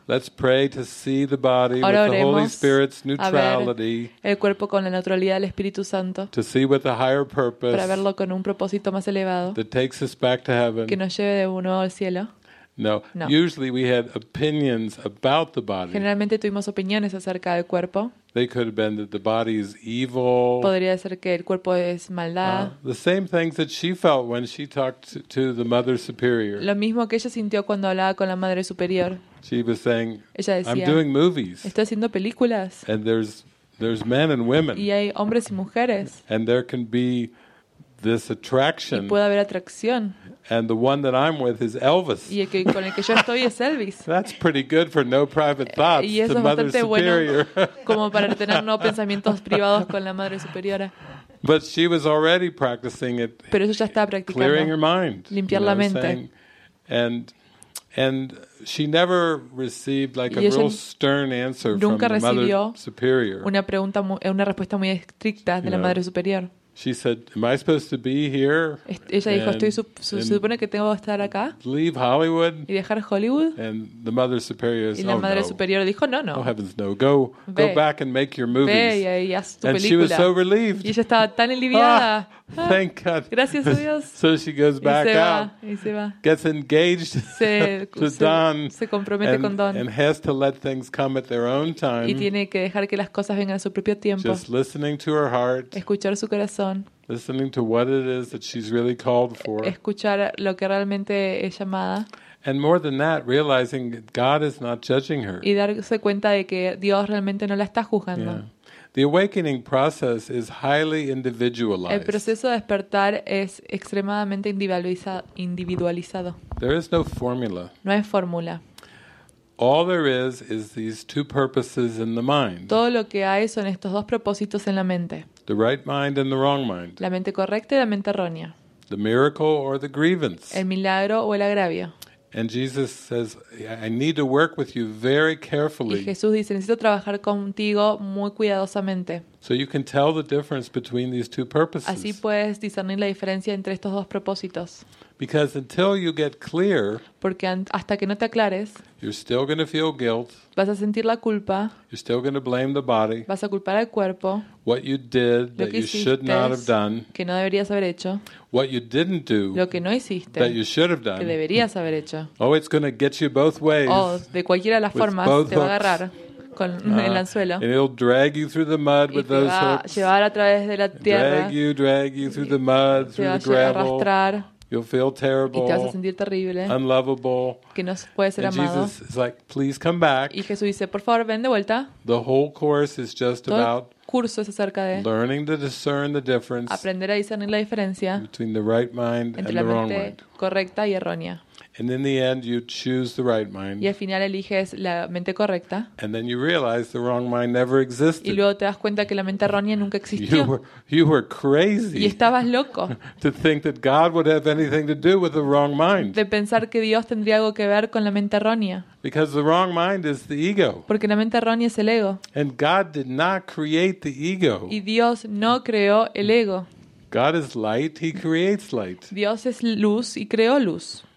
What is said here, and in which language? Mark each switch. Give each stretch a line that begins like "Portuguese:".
English: let's pray to see the body with the Holy Spirit's neutrality.
Spanish: El cuerpo con la neutralidad del Espíritu Santo.
English: To see with a higher purpose.
Spanish: Para verlo con un propósito más elevado.
English: That takes us back to heaven.
Spanish: Que nos lleve de nuevo al cielo.
English: No. Usually we had opinions about the body.
Spanish: Generalmente tuvimos opiniones acerca del cuerpo.
English: They could have been that the body is evil.
Spanish: Podría ser que el cuerpo es maldad.
English: The same things that she felt when she talked to the mother superior.
Spanish: Lo mismo que ella sintió cuando hablaba con la madre superior.
English: She was saying,
Spanish: ella decía,
English: "I'm doing movies."
Spanish: Estoy haciendo películas.
English: And there's men and women.
Spanish: Y hay hombres y mujeres.
English: And there can be this attraction.
Spanish: Y puede haber atracción.
English: And the one that I'm with is Elvis.
Spanish: Y el que con el que yo estoy es Elvis.
English: That's pretty good for no private thoughts.
Spanish: Y eso
English: to
Spanish: es
English: mother
Spanish: bastante
English: superior.
Spanish: Bueno como para tener no pensamientos privados con la madre superiora.
English: But she was already practicing it.
Spanish: Pero eso ya estaba practicando.
English: Clearing her mind.
Spanish: Limpiar la mente.
English: Saying, and she never received like a real stern answer from the mother superior.
Spanish: Una pregunta una respuesta muy estricta de la madre superior.
English: She said, "Am I supposed to be here?"
Spanish: Ella dijo, "Estoy supone que tengo que estar acá."
English: Leave Hollywood.
Spanish: Y dejar Hollywood.
English: And the mother superior said, "Oh, no."
Spanish: Y la madre superior dijo, "No, no."
English: Oh heavens, no! Go back and make your movies.
Spanish: Ve y haz tu película.
English: And she was so relieved.
Spanish: Y ella estaba tan aliviada.
English: Ah, thank God.
Spanish: Gracias a Dios.
English: So she goes back
Spanish: y se va,
English: out.
Spanish: Y se va.
English: Gets engaged to Don.
Spanish: Se compromete con Don.
English: And has to let things come at their own time.
Spanish: Y tiene que dejar que las cosas vengan a su propio tiempo.
English: Just listening to her heart.
Spanish: Escuchar su corazón.
English: Listening to what it is that she's really called for.
Spanish: Escuchar lo que realmente es llamada.
English: And more than that, realizing that God is not judging her.
Spanish: Y darse cuenta de que Dios realmente no la está juzgando.
English: Yeah. The awakening process is highly individualized.
Spanish: El proceso de despertar es extremadamente individualizado.
English: There is no formula.
Spanish: No hay fórmula.
English: All there is these two purposes in the mind.
Spanish: Todo lo que hay son estos dos propósitos en la mente.
English: The right mind and the wrong mind.
Spanish: La mente correcta y la mente errónea.
English: The miracle or the grievance.
Spanish: El milagro o el agravio.
English: And Jesus says, "I need to work with you very carefully."
Spanish: Y Jesús dice, necesito trabajar contigo muy cuidadosamente.
English: So you can tell the difference between these two purposes.
Spanish: Así puedes discernir la diferencia entre estos dos propósitos.
English: Because until you get clear,
Spanish: porque hasta que no te aclares,
English: you're still going to feel guilt.
Spanish: Vas a sentir la culpa.
English: You're still going to blame the body.
Spanish: Vas a culpar al cuerpo.
English: What you did that you should not have done.
Spanish: Que no deberías haber hecho.
English: What you didn't do.
Spanish: Lo que no hiciste.
English: That you should have done.
Spanish: Que deberías haber hecho.
English: Oh, it's going to get you both ways.
Spanish: Oh, de cualquiera de las formas te va a agarrar con el anzuelo.
English: And it'll drag you through the mud with those hooks.
Spanish: Y te va a llevar a través de la tierra.
English: Drag you through the mud, through the gravel.
Spanish: Te va a arrastrar.
English: You'll feel terrible.
Spanish: Y te vas a sentir terrible.
English: Unlovable.
Spanish: Que no puedes ser
English: and
Spanish: amado.
English: Jesus is like, "Please come back."
Spanish: Y Jesús dice, "Por favor, ven de vuelta."
English: The whole course is just
Spanish: todo
English: about
Spanish: curso es acerca de
English: learning to discern the difference.
Spanish: Aprender a discernir la diferencia
English: between the right mind
Spanish: entre la mente
English: the wrong mind.
Spanish: Correcta y errónea.
English: And in the end you choose the right mind.
Spanish: Y al final eliges la mente correcta.
English: And then you realize the wrong mind never existed.
Spanish: Y luego te das cuenta que la mente errónea nunca existió.
English: You were crazy.
Spanish: Y estabas loco.
English: To think that God would have anything to do with the wrong mind.
Spanish: De pensar que Dios tendría algo que ver con la mente errónea.
English: Because the wrong mind is the ego.
Spanish: Porque la mente errónea es el ego.
English: And God did not create the ego.
Spanish: Y Dios no creó el ego.
English: God is light, he creates light.
Spanish: Dios es luz y creó luz.